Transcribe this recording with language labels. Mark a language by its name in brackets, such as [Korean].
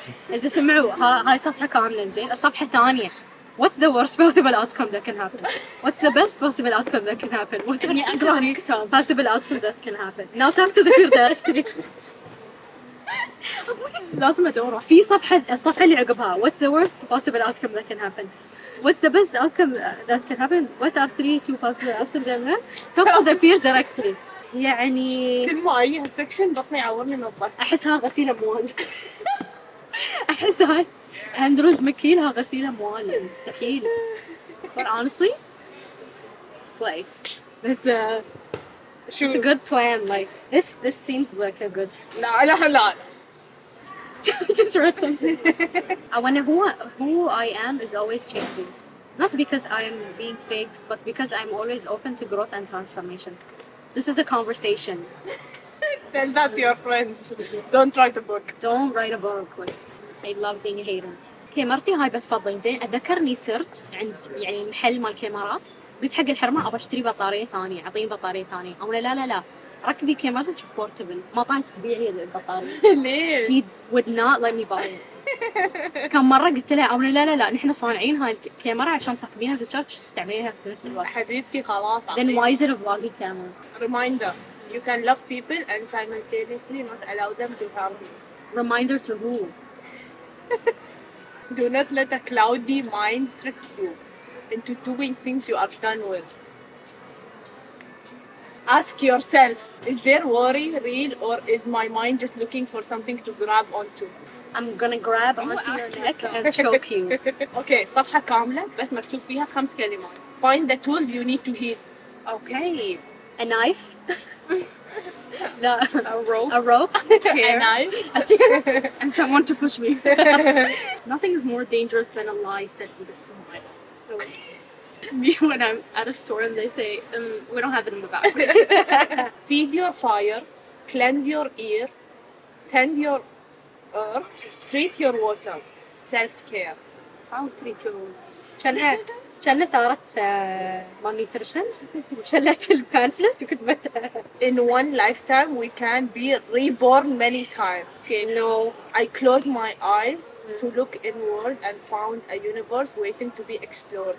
[Arabic] إذا سمعوا هاي صفحة كاملة زين الصفحة الثانية [English] What's the worst possible outcome that can happen? What's the best possible outcome that can happen? What are the only possible outcomes that can happen? Now talk to the fear directory. [Arabic] لازم أدوره في صفحة الصفحة اللي عقبها [English] What's the worst possible outcome that can happen? What's the best outcome that can happen? What are three two possible outcomes that can happen? Talk to the fear directory. يعني [Arabic] كل ما أي هالسكشن بطني يعورني من الضحك أحس ها غسيل أموال أحس هاي أندروز مكيل ها غسيل أموال مستحيل [English] but honestly it's like this شو it's a good plan like this seems like a good [Arabic] لا [English] just read something when who I am is always changing not because I'm being fake but because I'm always open to growth and transformation. This is a conversation. Tell that to your friends. Don't write a book. Don't write a book. Like, I love being a hater. [Arabic] Okay, مرتي هاي بتفضلين زين. أذكرني صرت عند يعني محل مال كاميرات. قلت حق الحرمة أبغى أشتري بطارية ثانية. أعطيني بطارية ثانية. أقول لا لا لا. ركبي كاميرات تشوف بورتبل. ما طاعت تبيعي البطارية. ليه؟ [English] She would not let me buy it. [Arabic] كم مرة قلت لها أقول لا لا لا. نحن صانعين هاي الكاميرا عشان تركبينها في الشرش تستعمليها في نفس الوقت. حبيبتي خلاص. [English] Then why is it a vlogging camera? Reminder, you can love people and simultaneously not allow them to harm you. Reminder to who? Do not let a cloudy mind trick you into doing things you are done with. Ask yourself, is there worry real or is my mind just looking for something to grab onto? I'm gonna grab onto your neck and choke you. [Arabic] Okay, صفحة كاملة بس مكتوب فيها خمس كلمات. [English] Find the tools you need to heal. Okay. A knife. No. A rope. A chair. And someone to push me. Nothing is more dangerous than a lie said with a smile. So, me when I'm at a store and they say, we don't have it in the back. Feed your fire, cleanse your ear, tend your earth, treat your water, self-care. How treat your water? Chanel. [Arabic] شلة صارت مونيترشن وشلت البانفلت وكتبت [English] In one lifetime we can be reborn many times. No. I closed my eyes to look inward and found a universe waiting to be explored.